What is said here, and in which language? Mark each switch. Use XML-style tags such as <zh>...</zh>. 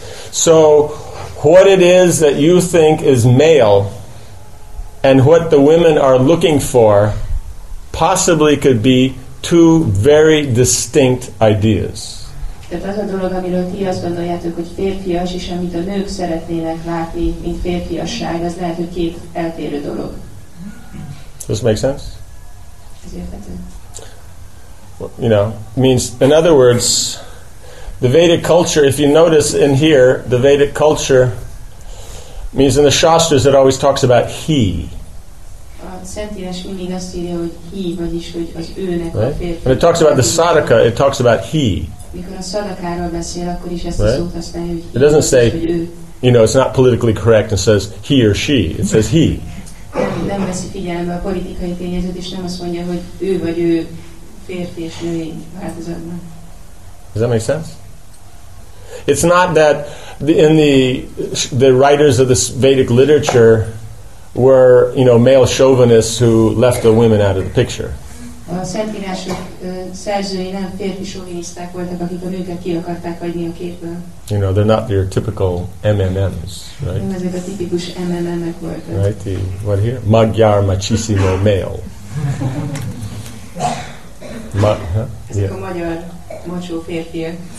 <en>So, what it is that you think is male and what the women are looking for possibly could be two very distinct ideas.</en> <hu>Tehát az a dolog, amiről ti azt gondoljátok, hogy férfias, és amit a nők szeretnének látni, mint férfiasság, az lehet, hogy két eltérő dolog.</hu> <en>Does this make sense?</en> <hu>Ez érthető.</hu> <en>You know, means, in other words, the Vedic culture, if you notice in here, the Vedic culture means in the Shastras it always talks about he.</en> <hu>A szentírás mindig azt írja, hogy he, vagyis hogy az őnek a férfi.</hu> <en>When it talks about the sadaka, it talks about he.</en> <hu>Mikor a szadakáról beszél, akkor is ezt a szót használja, hogy he.</hu> <en>It doesn't say, you know, it's not politically correct and says he or she. It says he.</en> <hu>Nem veszi figyelembe a politikai tényezőt, és nem azt mondja, hogy ő vagy ő férfi és növény változatban.</hu> <en>Does that make sense? It's not that in the writers of this Vedic literature were, you know, male chauvinists who left the women out of the picture.</en> <hu>A szentírások szerzői nem férfi soviniszták voltak, akik a nőket ki akarták hagyni a képből.</hu> <en>You know, they're not your typical MMMs, right?</en> <hu>Nem ezek a tipikus MMM-ek voltak.</hu> <en>Right, the, what here? Magyar machissimo male.</en> <hu>Ezek a magyar macsó férfiak.</hu>